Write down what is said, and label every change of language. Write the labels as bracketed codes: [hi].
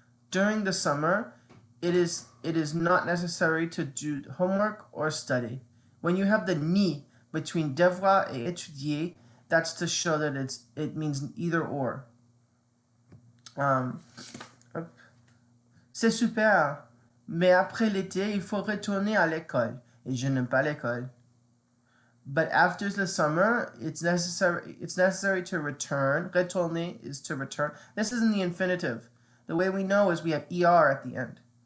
[en] During the summer, it is not necessary to do homework or study. When you have the ni between [fr] devoir et étudier, [en] that's to show that it means either or. [fr] C'est super, mais après l'été, il faut retourner à l'école. Et je n'aime pas l'école. [en] But after the summer, it's necessary to return. Retourner is to return. This isn't the infinitive. The way we know is we have ER at the end.